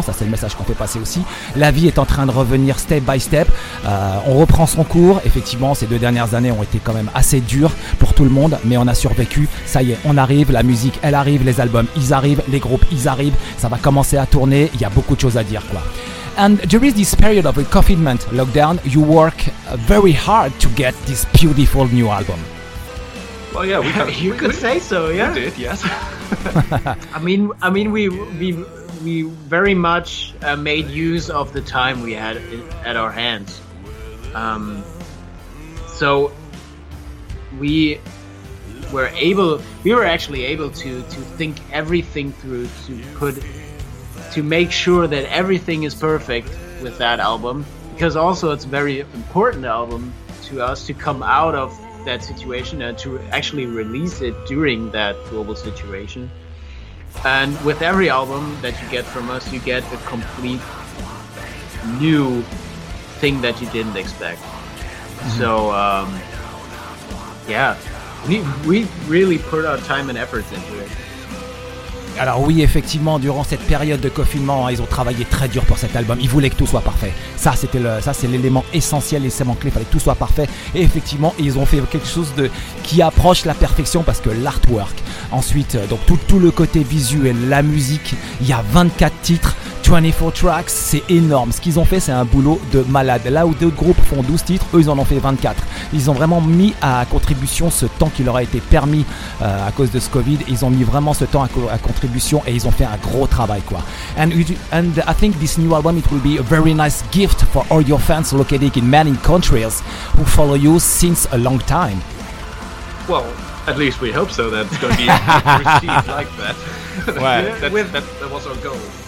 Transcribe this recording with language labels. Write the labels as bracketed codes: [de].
[fr] Ça, c'est le message qu'on fait passer aussi. La vie est en train de revenir [en] step by step. [fr] On reprend son cours. Effectivement, ces deux dernières années ont été quand même assez dures pour tout le monde, mais on a survécu. Ça y est, on arrive. La musique, elle arrive. Les albums, ils arrivent. Les groupes, ils arrivent. Ça va commencer à tourner. Il y a beaucoup de choses à dire, quoi. [en] And during this period of a confinement lockdown, you work very hard to get this beautiful new album. Well, yeah, you could say so. We did, yes. I mean, we very much made use of the time we had at our hands. So we were able. We were actually able to think everything through to make sure that everything is perfect with that album, because also it's a very important album to us to come out of that situation and to actually release it during that global situation. And with every album that you get from us, you get a complete new thing that you didn't expect. Mm-hmm. So we really put our time and efforts into it. [fr] Alors oui, effectivement, durant cette période de confinement, ils ont travaillé très dur pour cet album. Ils voulaient que tout soit parfait. Ça c'est l'élément essentiel, l'élément clé. Il fallait que tout soit parfait. Et effectivement, ils ont fait quelque chose de qui approche la perfection, parce que l'artwork, ensuite, donc tout le côté visuel, la musique, il y a 24 titres. 24 tracks, c'est énorme. Ce qu'ils ont fait, c'est un boulot de malade. Là où d'autres groupes font 12 titres, eux, ils en ont fait 24. Ils ont vraiment mis à contribution ce temps qui leur a été permis à cause de ce Covid. Ils ont mis vraiment ce temps à contribution et ils ont fait un gros travail, quoi. [en] And I think this new album, it will be a very nice gift for all your fans located in many countries who follow you since a long time. Well, at least we hope so, that it's going to be received like that. [fr] Ouais. [en] that was our goal.